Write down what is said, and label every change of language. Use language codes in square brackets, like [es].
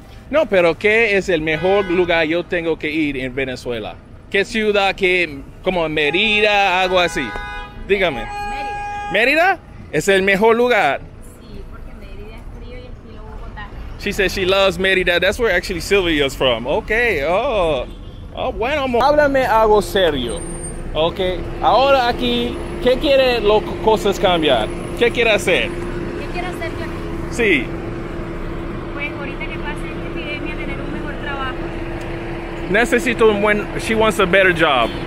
[es] No, pero ¿qué es el mejor lugar yo tengo que ir en Venezuela? ¿Qué ciudad? ¿Qué? ¿Como Mérida? Algo así. Dígame. Mérida. ¿Mérida? ¿Es el mejor lugar? Sí, porque Mérida es frío y estilo Bogotá. [en] She says she loves Mérida. That's where actually Sylvia is from. Okay. Oh. [es] Sí. Oh, bueno, amor. Háblame algo serio. Ok, ahora aquí, ¿qué quiere las cosas cambiar? ¿Qué quiere hacer? ¿Qué quiere hacer yo aquí? Sí. Pues ahorita que pase esta epidemia, tener un mejor trabajo. Necesito un buen... [en] She wants a better job.